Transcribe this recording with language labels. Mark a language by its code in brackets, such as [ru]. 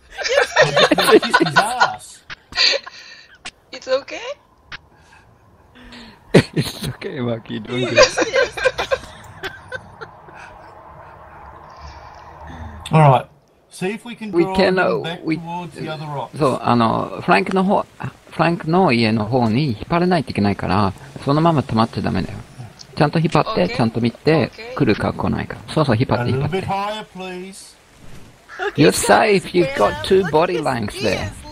[en] It's ass. It's okay? It's okay, Mark. You're doing good. All right. See if we can draw back towards the other rocks. [ja] そう、フランクの家の方に引っ張らないといけないから、そのまま止まっちゃダメだよ。ちゃんと引っ張って、ちゃんと見て、来るか来ないか。そうそう、引っ張って、引っ張って。 [en] A little bit higher, please. Okay, you're safe, you've got two body lengths there.